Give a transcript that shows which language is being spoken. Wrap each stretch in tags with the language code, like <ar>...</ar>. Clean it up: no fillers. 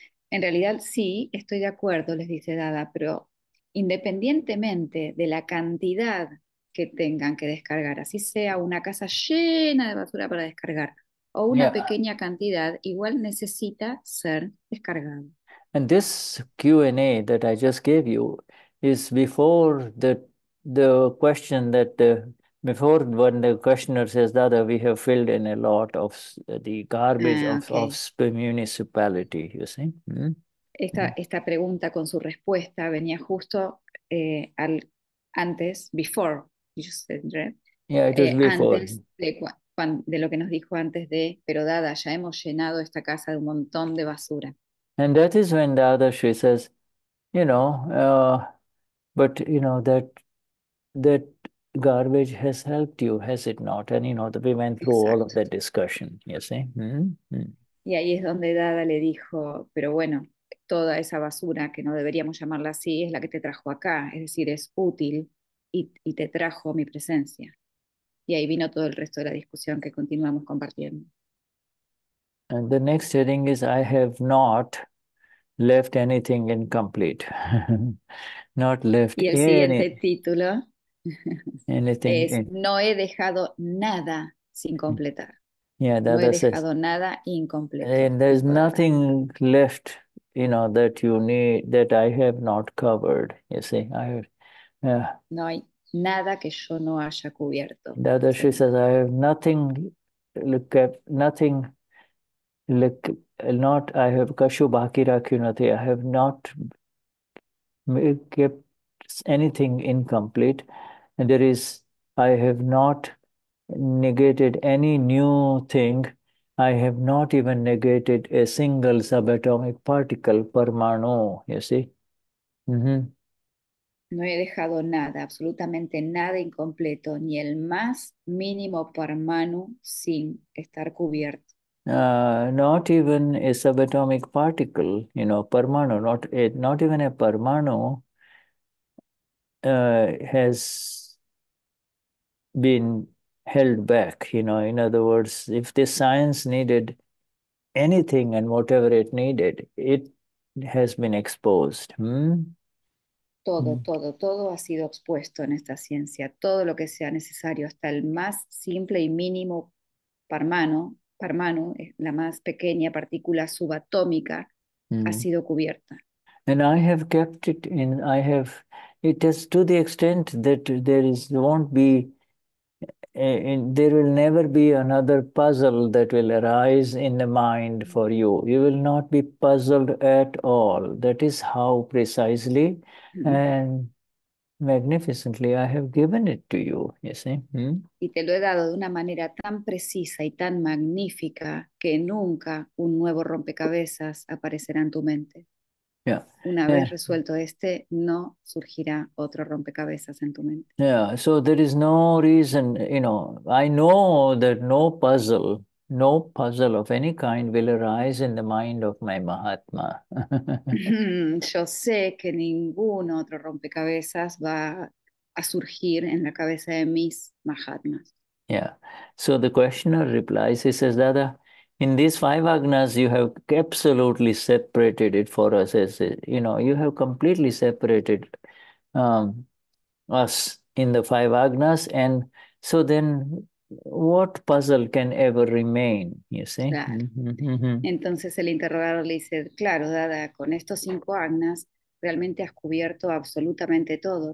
<es>En realidad, sí, estoy de acuerdo, les dice Dada, pero independientemente de la cantidad que tengan que descargar, así sea una casa llena de basura para descargar, o una pequeña cantidad, igual necesita ser descargado.</es> <en>And this Q&A that I just gave you is before the question that before when the questioner says that we have filled in a lot of the garbage of the municipality, you see.</en> <es>Esta pregunta con su respuesta venía justo antes,</es> <en>before you said, right? Yeah, it was before.</en> <es>De lo que nos dijo antes de, pero Dada, ya hemos llenado esta casa de un montón de basura.</es> <en>And that is when Dada, she says, you know, but you know, that garbage has helped you, has it not? And you know, we went through all of that discussion, you see.</en> <es>Y ahí es donde Dada le dijo, pero bueno, toda esa basura, que no deberíamos llamarla así, es la que te trajo acá, es decir, es útil y te trajo mi presencia. Y ahí vino todo el resto de la discusión que continuamos compartiendo.</es> <en>And the next heading is, I have not left anything incomplete. Not left anything.</en> <es>Y el siguiente título</es> <en>anything</en> <es>es, no he dejado nada sin completar.</es> <en>Yeah, that</en> <es>no he dejado</es> <en>says,</en> <es>nada incompleto.</es> <en>And there's nothing left, you know, that you need, that I have not covered. You see, I have...</en> <es>No hay... nada que yo no haya cubierto.</es> <en>Dada, she says, I have nothing, look at, nothing, look, not, I have</en> <gu>kashu baki rakhinati,</gu> <en>I have not kept anything incomplete. And there is, I have not negated any new thing. I have not even negated a single subatomic particle, parmano, you see.</en> <es>No he dejado nada, absolutamente nada incompleto, ni el más mínimo parmanu sin estar cubierto.</es> <en>Not even a subatomic particle, you know, parmanu, not even a parmanu has been held back, you know. In other words, if this science needed anything and whatever it needed, it has been exposed.</en> <es>Todo ha sido expuesto en esta ciencia. Todo lo que sea necesario, hasta el más simple y mínimo parmanu, la más pequeña partícula subatómica, ha sido cubierta.</es> <en>And I have kept it in, I have, it is to the extent that there is, won't be, there will never be another puzzle that will arise in the mind for you. You will not be puzzled at all. That is how precisely and magnificently I have given it to you, you see.</en> <es>Y te lo he dado de una manera tan precisa y tan magnífica que nunca un nuevo rompecabezas aparecerá en tu mente.</es> <en>Yeah.</en> <es>Una vez resuelto este, no surgirá otro rompecabezas en tu mente.</es> <en>Yeah, so there is no reason, you know, I know that no puzzle of any kind will arise in the mind of my Mahatma.</en> <es>Yo sé que ningún otro rompecabezas va a surgir en la cabeza de mis Mahatmas.</es> <en>Yeah, so the questioner replies, he says, Dada, in these five agnas, you have absolutely separated it for us. As you know, you have completely separated us in the five agnas, and so then, what puzzle can ever remain? You see.</en> <es>Claro. Entonces el interrogador le dice, claro, Dada, con estos cinco agnas, realmente has cubierto absolutamente todo.</es>